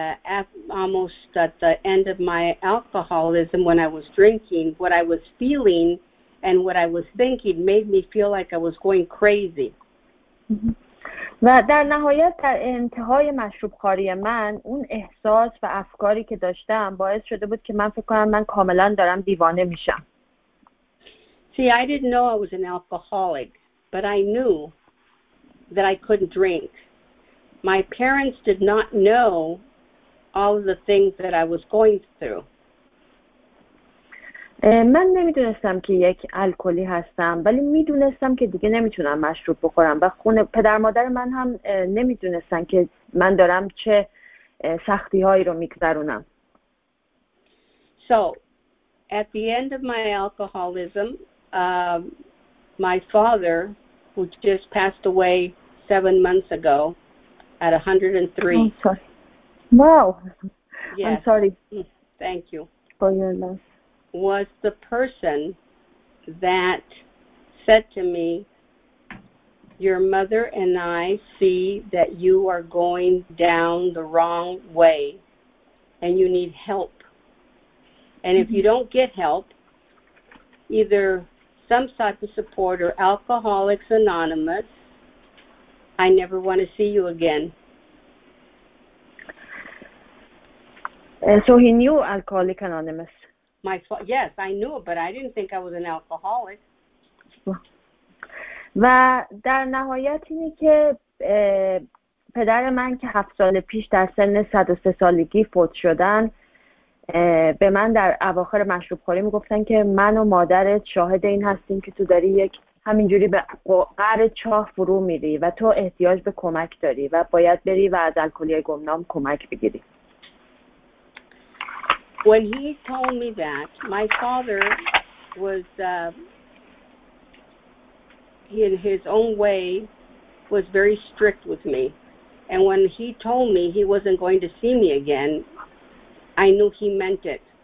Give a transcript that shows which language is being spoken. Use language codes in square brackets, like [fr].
[en] What I felt almost at the end of my alcoholism when I was drinking, what I was feeling and what I was thinking made me feel like I was going crazy. [fa] و در نهایت در انتهای مشروب خواری من اون احساس و افکاری که داشتم باعث شده بود که من فکر کنم من کاملا دارم دیوانه میشم. [en] See, I didn't know I was an alcoholic, but I knew that I couldn't drink. My parents did not know all the things that I was going through. [fa] من نمیدونستم که یک الکلی هستم، ولی میدونستم که دیگه نمیتونم مشروب بخورم و خونه پدر مادر من هم نمیدونستن که من دارم چه سختی هایی رو میگذرونم. [en] So, at the end of my alcoholism, my father, who just passed away 7 months ago at 103. Oh, sorry. Wow. Yes. I'm sorry. Thank you. For your loss. Was the person that said to me, your mother and I see that you are going down the wrong way and you need help. And mm-hmm. if you don't get help, either some type of support or Alcoholics Anonymous, I never want to see you again. And so he knew Alcoholics Anonymous. Yes, I knew, but I didn't think I was an alcoholic. [fa] و در نهایت اینی که پدر من که 7 سال پیش در سن 103 سالگی فوت شدن، به من در اواخر مشروب خوری میگفتن که من و مادرت شاهد این هستیم که تو داری یک همینجوری به قعر چاه فرو میری و تو احتیاج به کمک داری و باید بری و از الکلی گمنام کمک بگیری. [en] When he told me that, my father was, in his own way, was very strict with me. And when he told me he wasn't going to see me again, I knew he meant it.